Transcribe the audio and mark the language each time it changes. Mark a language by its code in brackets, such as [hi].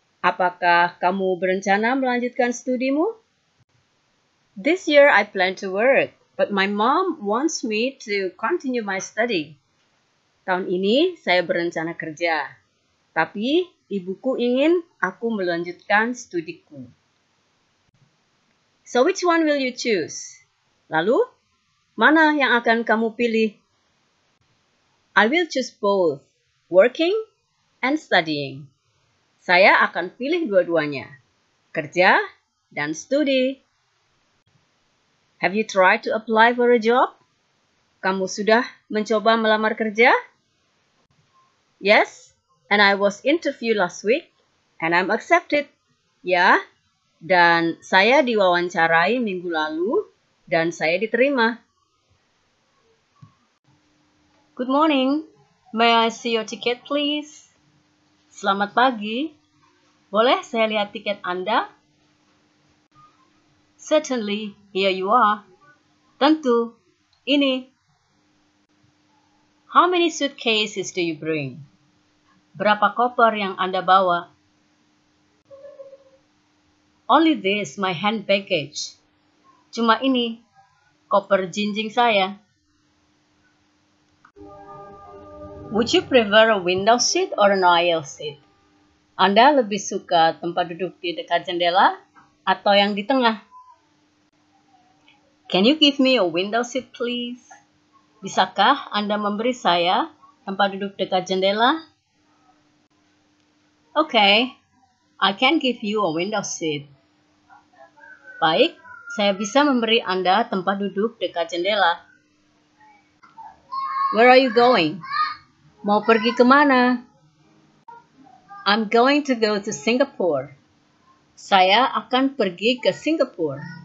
[id] Apakah kamu berencana melanjutkan studimu? [en] This year I plan to work. But my mom wants me to continue my study. [id] Tahun ini saya berencana kerja, tapi ibuku ingin aku melanjutkan studiku. [en] So which one will you choose? [id] Lalu, mana yang akan kamu pilih? [en] I will choose both, working and studying. [id] Saya akan pilih dua-duanya, kerja dan studi. [en] Have you tried to apply for a job? [id] Kamu sudah mencoba melamar kerja? [en] Yes, and I was interviewed last week, and I'm accepted. [id] Ya, dan saya diwawancarai minggu lalu, dan saya diterima. [en] Good morning. May I see your ticket, please? [id] Selamat pagi. Boleh saya lihat tiket Anda? [en] Certainly. Here you are. [id] Tentu. Ini. [en] How many suitcases do you bring? [id] Berapa koper yang Anda bawa? [en] Only this, my hand baggage. [id] Cuma ini, koper jinjing saya. [en] Would you prefer a window seat or an aisle seat? [id] Anda lebih suka tempat duduk di dekat jendela atau yang di tengah? [en] Can you give me a window seat, please? [id] Bisakah Anda memberi saya tempat duduk dekat jendela? [en] Okay, I can give you a window seat. [id] Baik, saya bisa memberi Anda tempat duduk dekat jendela. [en] Where are you going? [id] Mau pergi ke mana? [en] I'm going to go to Singapore. [id] Saya akan pergi ke Singapura.